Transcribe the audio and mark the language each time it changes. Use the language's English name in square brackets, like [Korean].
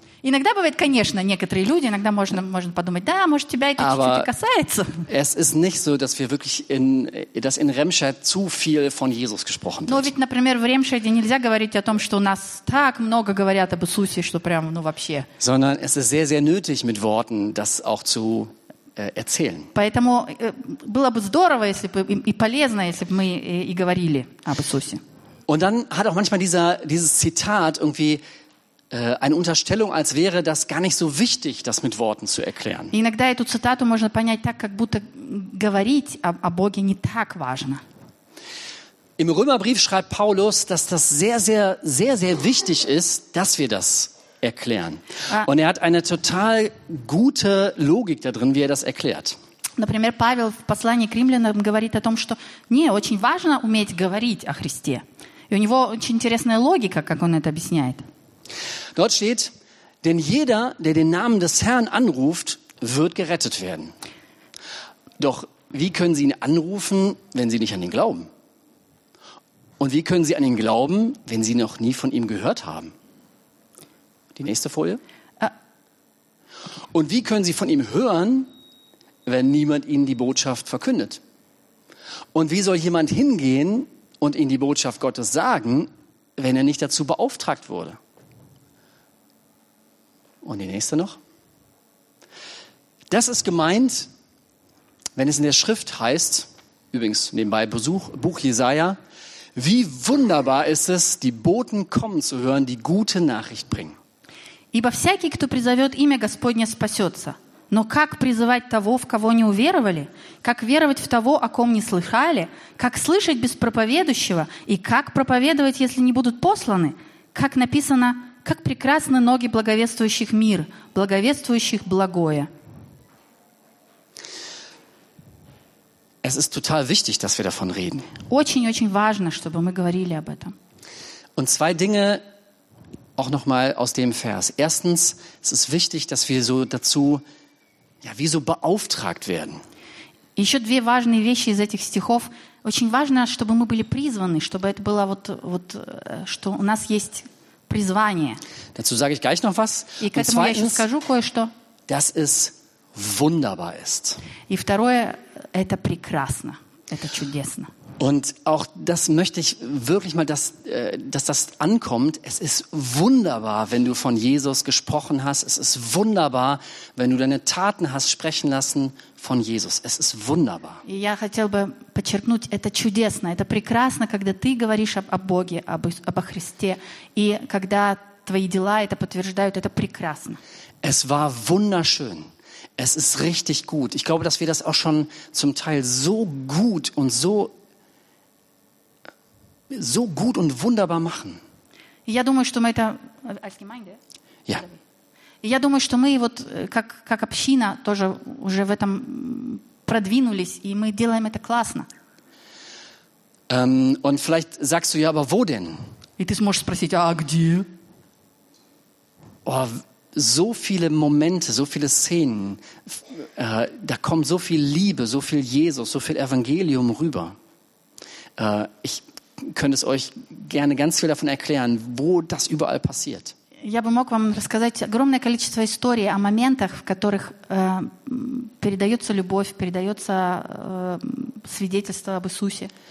[Russian] Иногда бывает, конечно, некоторые люди, иногда можно подумать, да, может, тебя это чуть-чуть касается. [German] Es ist nicht so, dass wir wirklich in Remscheid zu viel von Jesus gesprochen wird. [Russian] Но ведь, например, в Ремшайде нельзя говорить о том, что у нас так много говорят об Иисусе, что прям, ну вообще. [German] Sondern es ist sehr, sehr nötig, mit Worten das auch zu erzählen. [Russian] Поэтому было бы здорово, если бы и полезно, если бы мы и говорили об Иисусе. [German] Und dann hat auch manchmal dieses Zitat irgendwie eine Unterstellung, als wäre das gar nicht so wichtig, das mit Worten zu erklären. [Russian] Иногда эту цитату можно понять так, как будто говорить о Боге не так важно. [German] Im Römerbrief schreibt Paulus, dass das sehr, sehr, sehr, sehr wichtig ist, dass wir das erklären. Und er hat eine total gute Logik da drin, wie er das erklärt. [Russian] Например, Павел в послании к Римлянам говорит о том, что не очень важно уметь говорить о Христе. И у него очень интересная логика, как он это объясняет. [German] Dort steht, denn jeder, der den Namen des Herrn anruft, wird gerettet werden. Doch wie können Sie ihn anrufen, wenn Sie nicht an ihn glauben? Und wie können Sie an ihn glauben, wenn Sie noch nie von ihm gehört haben? Die nächste Folie. Und wie können Sie von ihm hören, wenn niemand Ihnen die Botschaft verkündet? Und wie soll jemand hingehen und Ihnen die Botschaft Gottes sagen, wenn er nicht dazu beauftragt wurde? Und die nächste noch. Das ist gemeint, wenn es in der Schrift heißt, übrigens nebenbei Buch Jesaja, wie wunderbar ist es, die Boten kommen zu hören, die gute Nachricht bringen. [Russian] Ибо всякий, кто призовет имя Господне, спасется. Но как призывать того, в кого не уверовали? Как веровать в того, о ком не слыхали? Как слышать без проповедующего? И как проповедовать, если не будут посланы? Как написано, как прекрасны ноги благовествующих мир, благовествующих благое. [German] Es ist total wichtig, dass wir davon reden. [Russian] Очень-очень важно, чтобы мы говорили об этом. [German] Und zwei Dinge auch nochmal aus dem Vers. Erstens, es ist wichtig, dass wir so dazu, ja, wie so beauftragt werden. [Russian] Еще две важные вещи из этих стихов. Очень важно, чтобы мы были призваны, чтобы это было вот, что у нас есть призвание. [German] Dazu sage ich gleich noch was. [Russian] И к этому я еще скажу кое-что. [German] Dass es wunderbar ist. [Russian] И второе, это прекрасно, это чудесно. [German] Und auch das möchte ich wirklich mal, dass das ankommt. Es ist wunderbar, wenn du von Jesus gesprochen hast. Es ist wunderbar, wenn du deine Taten hast sprechen lassen von Jesus. Es ist wunderbar. [Russian] Я хотел бы подчеркнуть, это чудесно, это прекрасно, когда ты говоришь о Боге, об Христе, и когда твои дела это подтверждают, это прекрасно. [German] Es war wunderschön. Es ist richtig gut. Ich glaube, dass wir das auch schon zum Teil so gut und so gut und wunderbar machen. [Russian] Я думаю, что мы это [German] als Gemeinde. Ja. [Russian] я думаю, что мы вот как община тоже уже в этом продвинулись, и мы делаем это классно. [German] Und vielleicht sagst du ja, aber wo denn? [Russian] И ты сможешь спросить, а где? [German] Oh, so viele Momente, so viele Szenen, da kommt so viel Liebe, so viel Jesus, so viel Evangelium rüber. Ich könnte es euch gerne ganz viel davon erklären, wo das überall passiert. [Russian] Я бы мог вам рассказать огромное количество историй о моментах, в которых передается любовь, передается свидетельство об Иисусе.